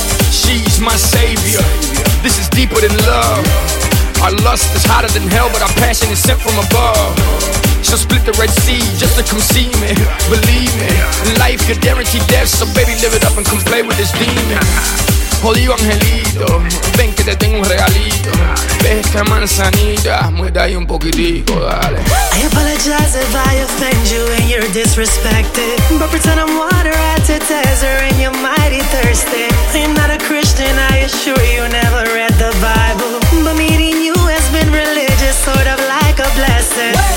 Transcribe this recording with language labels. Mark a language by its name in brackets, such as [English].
[English] She's my savior, this is deeper than love. Our lust is hotter than hell, but our passion is sent from above. She'll split the Red Sea just to come see me, believe me. Life could guarantee death, so baby live it up and come play with this demon. [Spanish] Jodido angelito, ven que te tengo un regalito. Ve esta manzanita, muerde ahí un poquitico, dale. [English] I apologize if I offend you and you're disrespected. But pretend I'm water at your desert and you're mighty thirsty. I'm not a Christian, I assure you, never read the Bible. But meeting you has been religious, sort of like a blessing.